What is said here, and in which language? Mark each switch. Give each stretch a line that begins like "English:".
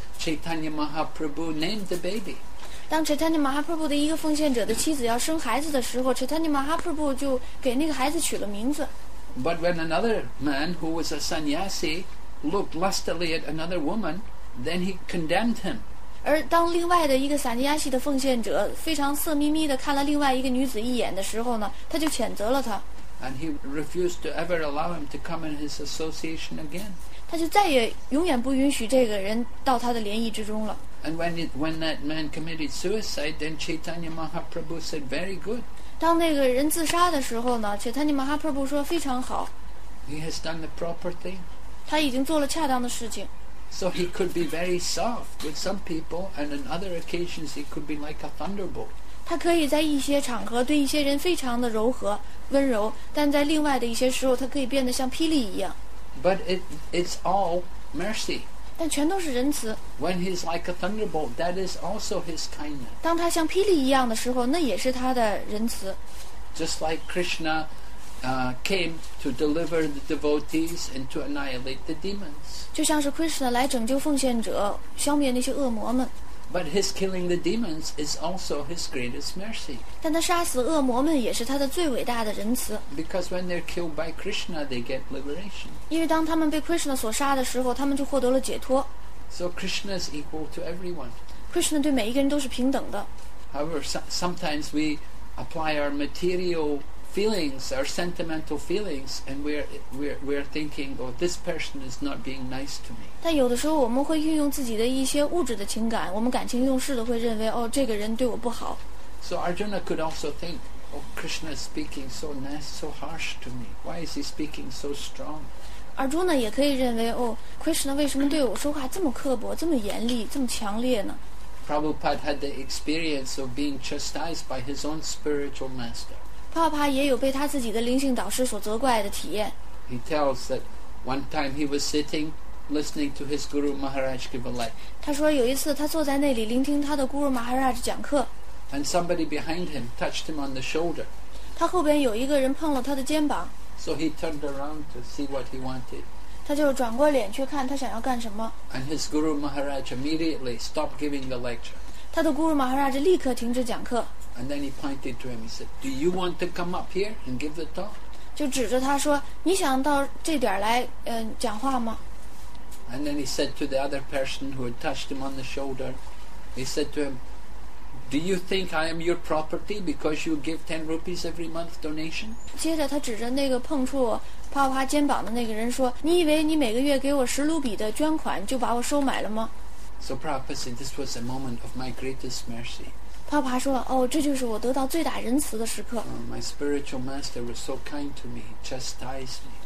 English: Chaitanya Mahaprabhu named the baby.
Chinese: 当 Chaitanya Mahaprabhu 的一个奉献者的妻子要生孩子的时候， Chaitanya Mahaprabhu 就给那个孩子取了名字。
English: But when another man who was a sannyasi,looked lustily at another woman, then he condemned him.
Chinese: 而当另外的一个萨尼亚西的奉献者非常色眯眯地看了另外一个女子一眼的时候呢，他就谴责了她。
English: And he refused to ever allow him to come in his association again.
Chinese: 他就再也永远不允许这个人到他的联谊之中了。
English: And when that man committed suicide, then Chaitanya Mahaprabhu said, "Very good."
Chinese: 当那个人自杀的时候呢，切坦尼马哈普布说非常好。
English: He has done the proper thing.
Chinese: 他已经做了恰当的事情。
English: So he could be very soft with some people, and on other occasions he could be like a thunderbolt.
Chinese: 他可以在一些场合对一些人非常的柔和、温柔，但在另外的一些时候，他可以变得像霹雳一样。
English: But it's all mercy.
Chinese: 但全都是仁慈。
English: When he's like a thunderbolt, that is also his kindness.
Chinese: 当他像霹雳一样的时候，那也是他的仁慈。
English: Just like Krishna. Came to deliver the devotees and to annihilate the demons.
Chinese: 就像是 Krishna 来拯救奉献者，消灭那些恶魔们。
English: But his killing the demons is also his greatest mercy.
Chinese: 但他杀死恶魔们也是他的最伟大的仁慈。
English: Because when they're killed by Krishna, they get liberation.
Chinese: 因为当他们被 Krishna 所杀的时候，他们就获得了解脱。
English: So Krishna is equal to everyone.
Chinese: Krishna 对每一个人都是平等的。
English: However, sometimes we apply our material. Feelings, our sentimental feelings, and we're thinking, oh, this person is not being nice to me.
Chinese: 但有的时候我们会运用自己的一些物质的情感，我们感情用事的会认为，哦，这个人对我不好。
English: So Arjuna could also think, oh, Krishna is speaking so nice, so harsh to me. Why is he speaking so strong?
Chinese: Arjuna 也可以认为，哦， Krishna 为什么对我说话这么刻薄、这么严厉、这么强烈呢？
English: Prabhupada had the experience of being chastised by his own spiritual master.
Chinese: Prabhupada 也有被他自己的灵性导师所责怪的体验。
English: He tells that one time he was sitting listening to his Guru Maharaj give a lecture.
Chinese: 他说有一次他坐在那里聆听他的 Guru Maharaj 讲课。
English: And somebody behind him touched him on the shoulder.
Chinese: 他后边有一个人碰了他的肩膀。
English: So he turned around to see what he wanted.
Chinese: 他就转过脸去看他想要干什么。
English: And his Guru Maharaj immediately stopped giving the lecture.
Chinese: 他的 Guru Maharaj 立刻停止讲课。
English: And then he pointed to him. He said, "Do you want to come up here and give the talk?"
Chinese: 就指着他说，你想到这点来，讲话吗？
English: And then he said to the other person who had touched him on the shoulder, he said to him, "Do you think I am your property because you give 10 rupees every month donation?"
Chinese: 接着他指着那个碰触啪啪肩膀的那个人说，你以为你每个月给我10卢比的捐款就把我收买了吗？
English: So Prabhupada said, "This was a moment of my greatest mercy."
Chinese: Prabhupada 说，哦，这就是我得到最大仁慈的时刻。
English: My spiritual master was so kind to me, chastised me.